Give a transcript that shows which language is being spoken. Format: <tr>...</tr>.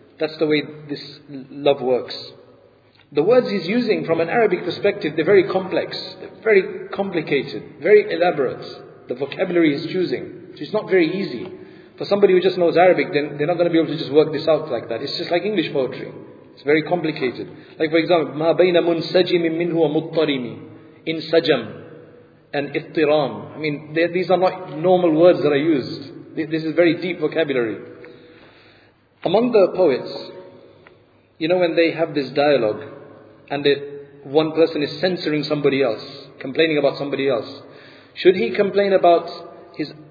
<en>That's the way this love works. The words he's using from an Arabic perspective, they're very complex. They're very complicated. Very elaborate. The vocabulary he's choosing. So it's not very easy. For somebody who just knows Arabic, then they're not going to be able to just work this out like that. It's just like English poetry. It's very complicated. Like for example,</en> <ar>مَا بَيْنَ مُنْسَجِمٍ مِّنْهُ وَمُطَّرِمِ إِنْ سَجَمْ and ittiram.</ar> <en>I mean, these are not normal words that are used. This is very deep vocabulary. Among the poets, you know, when they have this dialogue, and one person is censoring somebody else, complaining about somebody else, should he complain about his?</en>